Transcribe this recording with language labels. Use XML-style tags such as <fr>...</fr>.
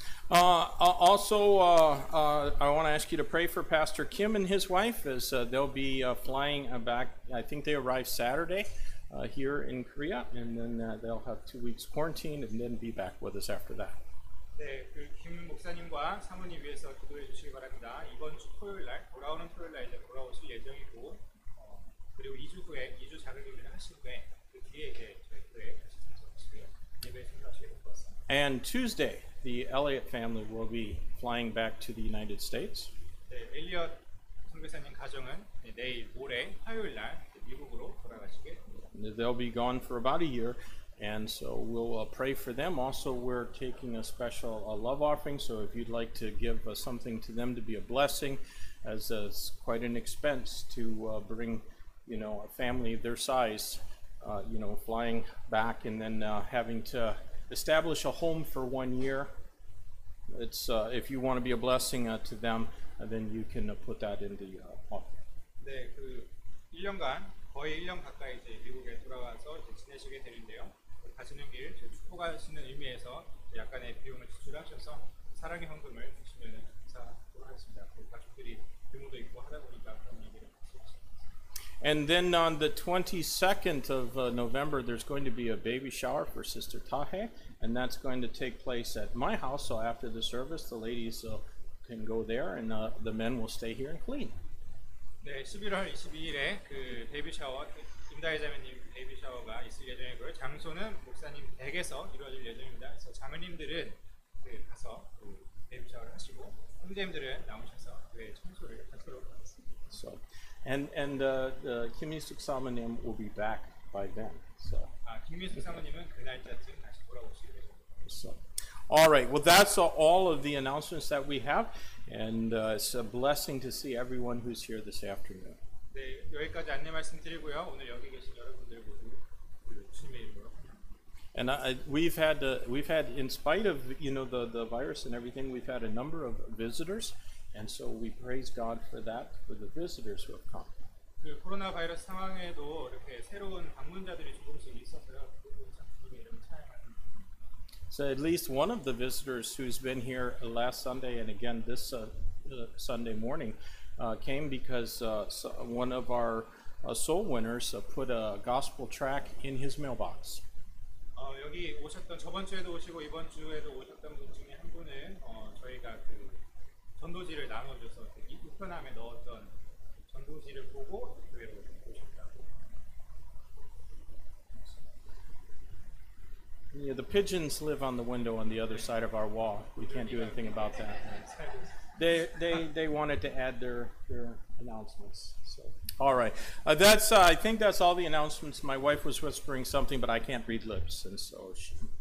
<en>I want to ask you to pray for Pastor Kim and his wife as they'll be flying back. I think they arrive Saturday here in Korea and then they'll have 2 weeks quarantine and then be back with us after that.</en> <ko>네, 그 김 목사님과 사모님 위해서 기도해 주시기 바랍니다. 이번 주 토요일날 돌아오는 토요일날 이제 돌아오실 예정이고, 그리고 2주 후에 2주 자격증을 하신 후에 그 뒤에 이제 저희 교회 다시 참석하시고요. 예배 참석하시고 싶었습니다.</ko> <en>And Tuesday, the Elliot family will be flying back to the United States.</en> <ko>네, 엘리엇 선교사님 가정은 내일 모레 화요일날 미국으로 돌아가시게 됩니다.</ko> <en>They'll be gone for about a year. And so we'll pray for them. Also, we're taking a special love offering. So if you'd like to give something to them to be a blessing, as it's quite an expense to bring, you know, a family their size, you know, flying back and then having to establish a home for 1 year. it's if you want to be a blessing to them, then you can put that in the pocket.</en> <ko>네, 그 1년간 거의 1년 가까이 이제 미국에 돌아와서 이제 지내시게 되는데요. 가시는 길 축복하시는 의미에서 약간의 비용을 지출하셔서 사랑의 헌금을 주시면 감사하도록 하겠습니다. 그 가족들이 규모도 있고 하다 보니까 그런 얘기를</ko> <en>And then on the 22nd of November, there's going to be a baby shower for Sister Tahe, and that's going to take place at my house. So after the service, the ladies can go there, and the men will stay here and clean.</en> <ko>네, 11월 22일에 그 베이비 샤워, 임다혜자매님 베이비 샤워가 있을 예정이고요. 장소는 목사님 댁에서 이루어질 예정입니다. 그래서 자매님들은 그 가서 그 베이비 샤워를 하시고, 형제님들은 나오셔서 교회 청소를 하도록 하겠습니다.</ko> <en>So. And Kim Hee-suk Sama-nim will be back by then. So.</en> <ko>Kim Hee-suk Sama-nim은 그 날짜쯤 다시 돌아오시게 되죠. So. All right.</ko> <en>Well, that's all of the announcements that we have, and it's a blessing to see everyone who's here this afternoon.</en> <ko>네, 여기까지 안내 말씀드리고요. 오늘 여기 계신 여러분들 모두 주님의 이름으로.</ko> <en>And we've had in spite of the virus and everything, we've had a number of visitors. And so we praise God for that, for the visitors who have come.</en> <ko>그 코로나 바이러스 상황에도 이렇게 새로운 방문자들이 조금씩 있어서요. 주님의 이름을 찬양합니다.</ko> <en>So at least one of the visitors who's been here last Sunday and again this Sunday morning came because one of our soul winners put a gospel track in his mailbox.</en> <ko>여기 오셨던 저번 주에도 오시고 이번 주에도 오셨던 분 중에 한 분은 저희가 그 전도지를 나눠줘서 이 우편함에 넣었던 전도지를 보고 교회로 오셨다고.</ko> <en>Yeah, the pigeons live on the window on the other side of our wall. We can't do anything about that. They wanted to add their announcements. So, all right. That's I think that's all the announcements. My wife was whispering something, but I can't read lips, and so she.</en>